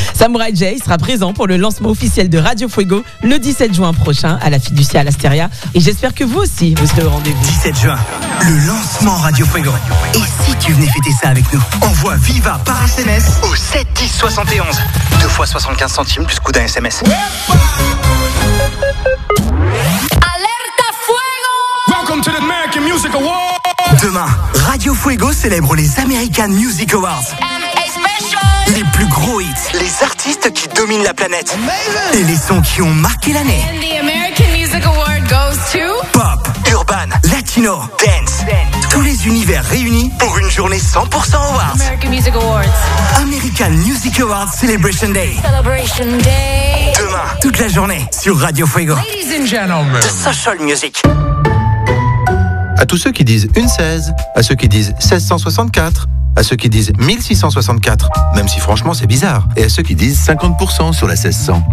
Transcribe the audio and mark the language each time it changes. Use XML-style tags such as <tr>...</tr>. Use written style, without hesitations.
<fr>Samurai J sera présent pour le lancement officiel de Radio Fuego le 17 juin prochain à la Fiducie à l'Astéria. Et j'espère que vous aussi, vous serez au rendez-vous. 17 juin, le lancement Radio Fuego. Et si tu venais fêter ça avec nous, envoie Viva par SMS au 7 10 71. 2 fois 75 centimes plus coût d'un SMS. Alerta Fuego!</fr> <en>Welcome to the American Music Awards!</en> <fr>Demain, Radio Fuego célèbre les American Music Awards. Les plus gros hits, les artistes qui dominent la planète.</fr> <en>Amazing.</en> <fr>Et les sons qui ont marqué l'année.</fr> <en>And the American Music Award goes to pop, urban, latino, dance.</en> <fr>Tous les univers réunis pour une journée 100% awards.</fr> <en>American Music Awards. American Music Awards Celebration Day. Celebration Day.</en> <fr>Demain, toute la journée sur Radio Fuego.</fr> <en>Ladies and gentlemen, the social music.</en> <fr>À tous ceux qui disent une 16, à ceux qui disent 1664, à ceux qui disent 1664, même si franchement c'est bizarre, et à ceux qui disent 50% sur la 1600.</fr>